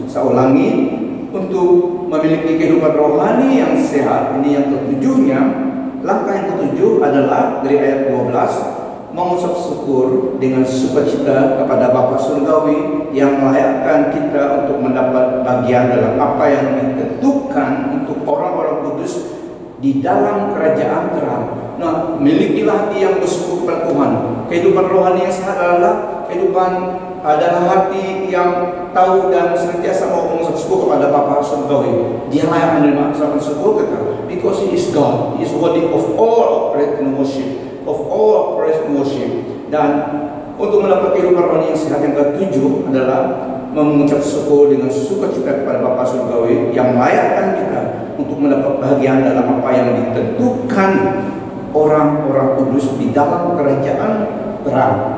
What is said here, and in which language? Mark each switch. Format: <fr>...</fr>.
<id>Saya ulangi, untuk memiliki kehidupan rohani yang sehat, ini yang ketujuhnya, langkah yang ketujuh adalah dari ayat 12, mengucap syukur dengan sukacita kepada Bapa Surgawi yang melayakkan kita untuk mendapat bagian dalam apa yang ditentukan untuk orang-orang kudus di dalam kerajaan terang. Nah, milikilah hati yang bersyukur kepada Tuhan. Kehidupan rohani yang sehat adalah kehidupan adalah hati yang tahu dan sentiasa mau mengucap syukur kepada Bapa Surgawi. Dia layak menerima ucapan syukur kita,</id> <en>because He is God, He is worthy of all praise and worship.</en> <id>Dan untuk mendapatkan kehidupan rohani yang sehat, yang ketujuh adalah mengucap syukur dengan sukacita kepada Bapa Surgawi yang layakkan kita untuk mendapat bagian dalam apa yang ditentukan orang-orang kudus di dalam kerajaan terang.</id>